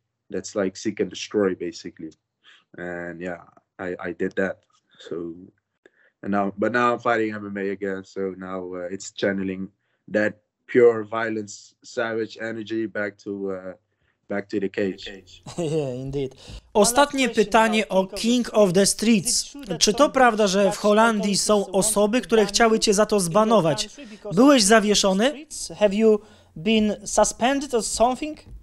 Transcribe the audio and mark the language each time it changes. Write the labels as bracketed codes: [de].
[en] That's like seek and destroy, basically. And yeah, I did that. So, and now, but now I'm fighting MMA again. So now it's channeling that pure violence, savage energy back to the cage. Yeah, indeed. [pl] Ostatnie pytanie o King of the Streets. Czy to prawda, że w Holandii są osoby, które chciały cię za to zbanować? Byłeś zawieszony? [en] Have you been suspended or something?